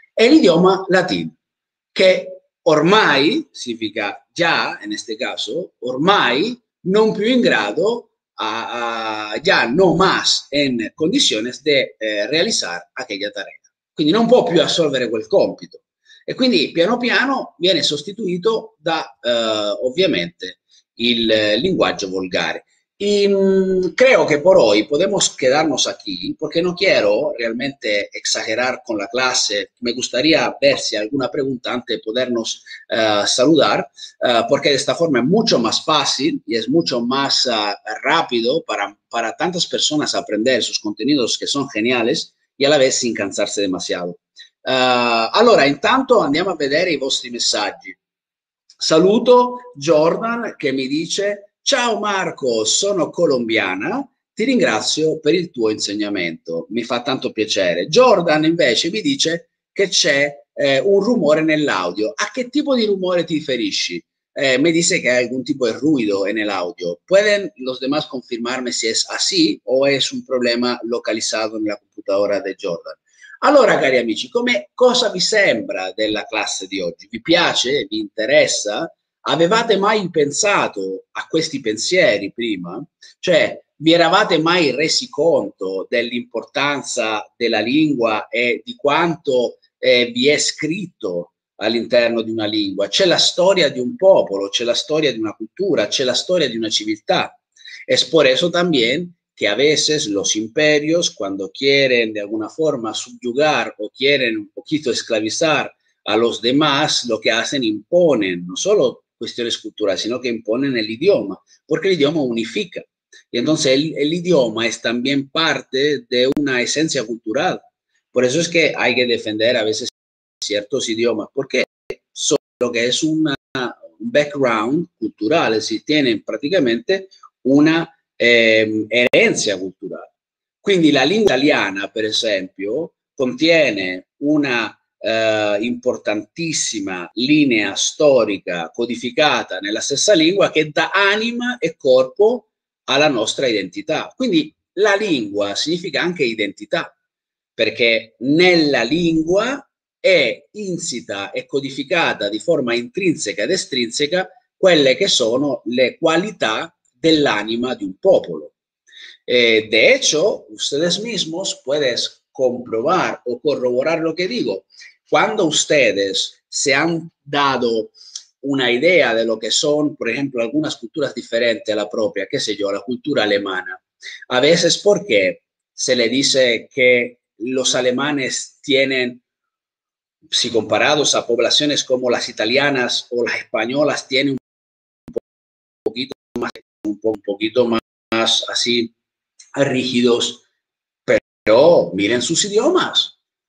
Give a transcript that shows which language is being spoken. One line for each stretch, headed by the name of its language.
Italian: È l'idioma latino, che ormai, significa già in questo caso, ormai non più in grado, già non más in condizioni di realizzare
Spanish: aquella tarea.
Italian: Quindi non può più assolvere quel compito. E quindi piano piano viene sostituito da, ovviamente, il linguaggio volgare.
Spanish: Creo que por hoy podemos quedarnos aquí, porque no quiero realmente exagerar con la clase. Me gustaría ver si alguna pregunta antes de podernos saludar, porque de esta forma es mucho más fácil y es mucho más rápido para tantas personas aprender sus contenidos, que son geniales, y a la vez sin cansarse demasiado.
Italian: Allora, intanto andiamo a vedere i vostri messaggi. Saluto Jordan, che mi dice: ciao Marco, sono colombiana, ti ringrazio per il tuo insegnamento, mi fa tanto piacere. Jordan invece mi dice che c'è un rumore nell'audio. A che tipo di rumore ti riferisci? Mi dice che hai
Spanish: algún tipo de ruido en el audio. ¿Pueden los demás confirmarme si es así o es un problema
Italian: localizzato nella
Spanish: computadora di Jordan?
Italian: Allora, cari amici, cosa vi sembra della classe di oggi? Vi piace? Vi interessa? Avevate mai pensato a questi pensieri prima? Cioè, Vi eravate mai resi conto dell'importanza della lingua e di quanto vi è scritto all'interno di una lingua? C'è la storia di un popolo, c'è la storia di una cultura, c'è la storia di una civiltà.
Spanish: Es por eso también que a veces los imperios, cuando quieren de alguna forma subyugar o quieren un poquito esclavizar a los demás, lo que hacen, imponen no solo cuestiones culturales, sino que imponen el idioma, porque el idioma unifica. Y entonces el idioma es también parte de una esencia cultural. Por eso es que hay que defender a veces ciertos idiomas, porque son lo que es un background cultural, es decir, tienen prácticamente una herencia culturale.
Italian: Quindi la lingua italiana, per esempio, contiene una importantissima linea storica codificata nella stessa lingua che dà anima e corpo alla nostra identità. Quindi la lingua significa anche identità, perché nella lingua è insita e codificata di forma intrinseca ed estrinseca quelle che sono le qualità dell'anima di un popolo.
Spanish: De hecho, ustedes mismos pueden comprobar o corroborar lo que digo. Cuando ustedes se han dado una idea de lo que son, por ejemplo, algunas culturas diferentes a la propia, qué sé yo, a la cultura alemana, a veces porque se le dice que los alemanes tienen, si comparados a poblaciones como las italianas o las españolas, tienen un poquito más así rígidos, pero miren sus idiomas.